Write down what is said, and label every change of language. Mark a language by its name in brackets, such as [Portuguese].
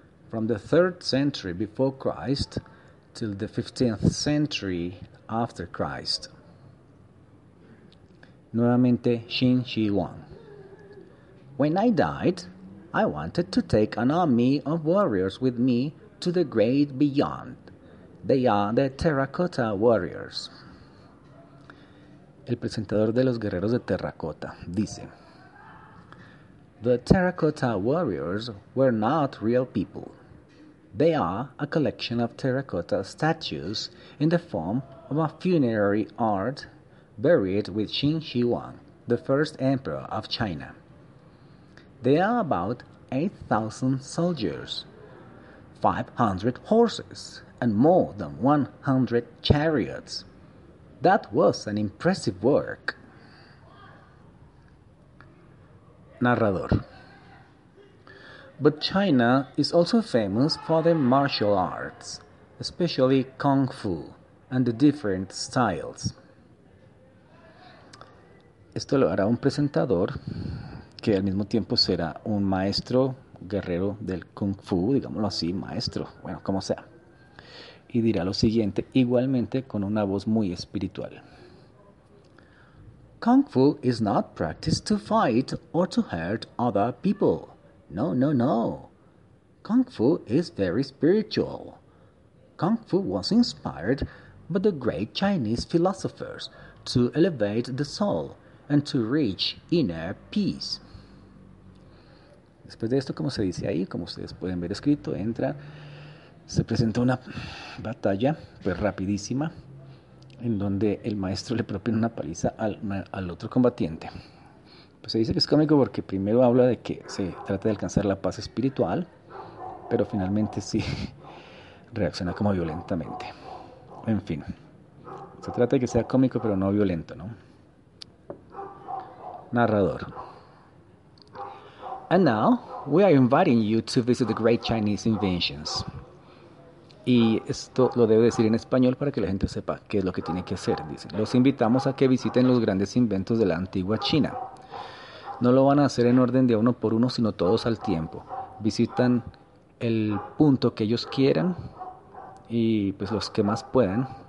[English] From the 3rd century before Christ till the 15th century after Christ. [Spanish] nuevamente Xin Shi Huang. [English] When I died, I wanted to take an army of warriors with me to the great beyond. They are the Terracotta Warriors. [Spanish] El presentador de los guerreros de terracota dice: [English] The Terracotta Warriors were not real people. They are a collection of terracotta statues in the form of a funerary art buried with Qin Shi Huang, the first emperor of China. They are about 8,000 soldiers, 500 horses, and more than 100 chariots. That was an impressive work. [Spanish] Narrador. [English] But China is also famous for the martial arts, especially Kung Fu and the different styles. [Spanish] Esto lo hará un presentador que al mismo tiempo será un maestro guerrero del Kung Fu, digámoslo así, maestro, bueno, como sea. Y dirá lo siguiente, igualmente con una voz muy espiritual. [English] Kung Fu is not practiced to fight or to hurt other people. No, no, no. Kung Fu is very spiritual. Kung Fu was inspired by the great Chinese philosophers to elevate the soul and to reach inner peace. [Spanish] Después de esto, como se dice ahí, como ustedes pueden ver escrito, entra, se presenta una batalla, pues rapidísima, en donde el maestro le propina una paliza al otro combatiente. Pues se dice que es cómico porque primero habla de que se trata de alcanzar la paz espiritual, pero finalmente sí reacciona como violentamente. En fin, se trata de que sea cómico pero no violento, ¿no? Narrador. [English] And now, we are inviting you to visit the great Chinese inventions. [Spanish] Y esto lo debo decir en español para que la gente sepa qué es lo que tiene que hacer. Dice, los invitamos a que visiten los grandes inventos de la antigua China. No lo van a hacer en orden de uno por uno, sino todos al tiempo. Visitan el punto que ellos quieran y pues los que más puedan.